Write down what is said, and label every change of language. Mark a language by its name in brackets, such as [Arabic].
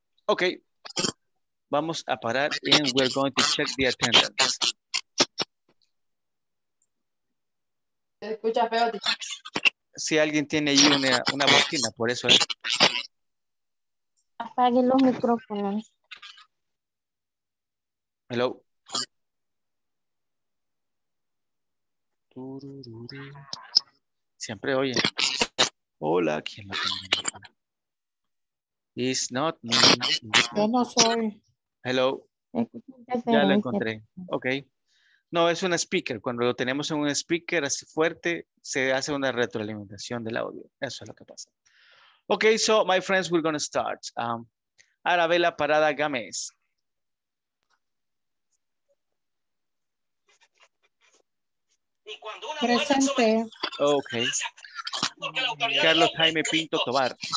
[Spanish] Ok, vamos a parar [English] and we're going to check the attendance. [Spanish] Se escucha feo. Si alguien tiene ahí una bocina, por eso. Apague los micrófonos. [English] Hello. [Spanish] Siempre oye. Hola, ¿quién lo tiene? [English] It's not me. [Spanish] Yo no soy. [English] Hello. [Spanish] Ya lo encontré. Ok. No, es un speaker. Cuando lo tenemos en un speaker así fuerte, se hace una retroalimentación del audio. Eso es lo que pasa. [English] Ok, so my friends, we're going to start. [Spanish] Arabella Parada Gámez. Presente. Ok. Porque la Carlos Jaime Pinto Tobar.